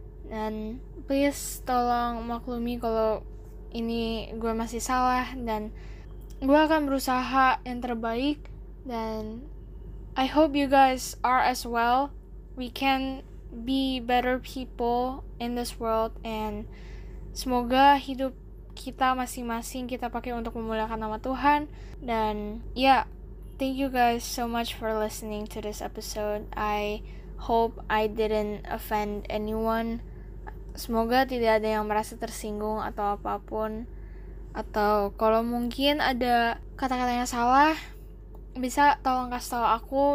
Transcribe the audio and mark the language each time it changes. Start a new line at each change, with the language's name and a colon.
Indonesian: Dan please tolong maklumi kalau ini gue masih salah. Dan gue akan berusaha yang terbaik.
English: Dan I hope you guys are as well. We can be better people in this world.
Indonesian: And semoga hidup kita masing-masing kita pakai untuk memuliakan nama Tuhan. Dan ya,
English: yeah, thank you guys so much for listening to this episode. I hope I didn't offend anyone.
Indonesian: Semoga tidak ada yang merasa tersinggung atau apapun. Atau kalau mungkin ada kata-kata yang salah, bisa tolong kasih tahu aku.